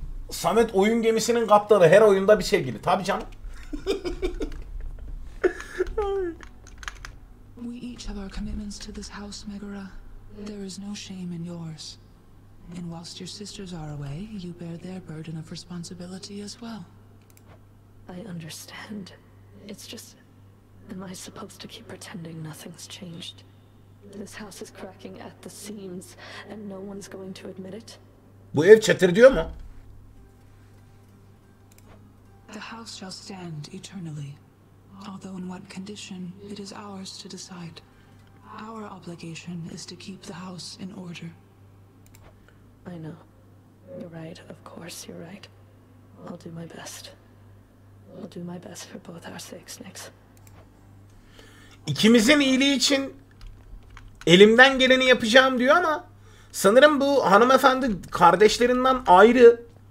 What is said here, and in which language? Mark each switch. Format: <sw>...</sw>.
<tr>Samet oyun gemisinin kaptanı, her oyunda bir sevgili. Tabii canım.</tr> <en>We each have our commitments to this house, Megara. There is no shame in yours. And whilst your sisters are away, you bear their burden of responsibility as well. I understand. It's just, am I supposed to keep pretending nothing's changed? This house is cracking at the seams, and no one's going to admit it.</en> <tr>Bu ev çatırdıyor mu?</tr> <en>The house shall stand eternally. Although in what condition, it is ours to decide. Our obligation is to keep the house in order. I know. You're right, of course you're right. I'll do my best. I'll do my best for both our sakes, Nyx.</en> <tr>İkimizin iyiliği için elimden geleni yapacağım diyor ama sanırım bu hanımefendi kardeşlerinden ayrı.</tr>